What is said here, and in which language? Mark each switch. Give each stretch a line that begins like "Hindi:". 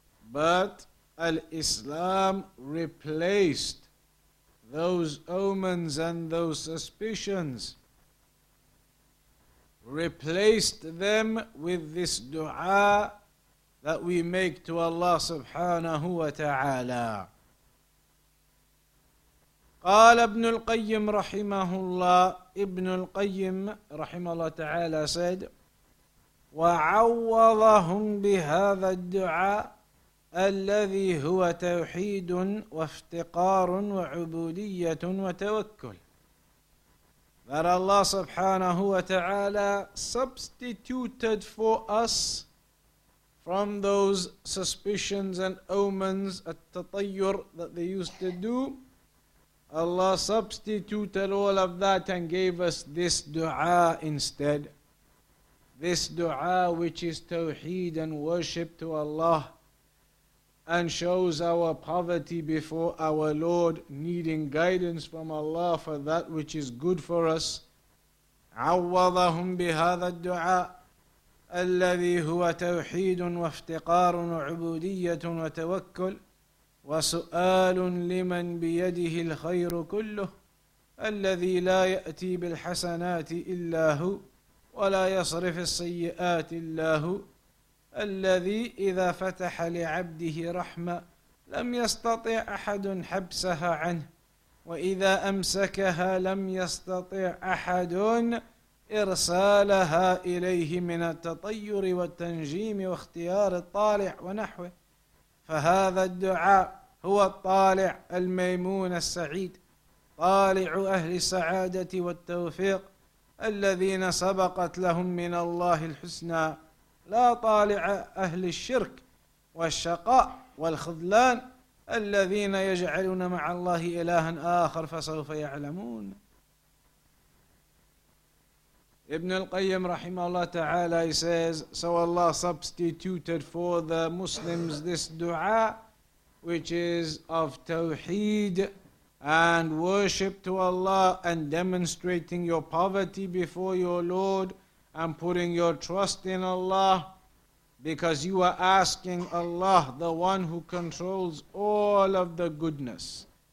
English: But al-Islam replaced those omens and those suspicions, replaced them with this dua that we make to Allah subhanahu wa ta'ala.
Arabic: قال ابن القيم رحمه الله, ابن القيم رحمه الله تعالى
English: said,
Arabic: وعوضهم بهذا الدعاء الذي هو توحيد وافتقار وعبودية وتوكل.
English: That Allah subhanahu wa ta'ala substituted for us from those suspicions and omens, التطير, that they used to do. Allah substituted all of that and gave us this dua instead. This dua which is tawheed and worship to Allah, and shows our poverty before our Lord, needing guidance from Allah for that which is good for us.
Arabic: عَوَّضَهُمْ بِهَذَا الدُّعَاءَ الَّذِي هُوَ تَوْحِيدٌ وَافْتِقَارٌ وَعُبُودِيَّةٌ وَتَوَكُّلٌ وسؤال لمن بيده الخير كله الذي لا يأتي بالحسنات إلا هو ولا يصرف السيئات إلا هو الذي إذا فتح لعبده رحمة لم يستطع أحد حبسها عنه وإذا أمسكها لم يستطع أحد إرسالها إليه من التطير والتنجيم واختيار الطالع ونحوه فهذا الدعاء هو الطالع الميمون السعيد طالع أهل السعادة والتوفيق الذين سبقت لهم من الله الحسنى لا طالع أهل الشرك والشقاء والخذلان الذين يجعلون مع الله إلها آخر فسوف يعلمون.
English: Ibn al-Qayyim rahimahullah ta'ala, he says, so Allah substituted for the Muslims this dua, which is of tawheed and worship to Allah and demonstrating your poverty before your Lord and putting your trust in Allah, because you are asking Allah, the one who controls all of the goodness.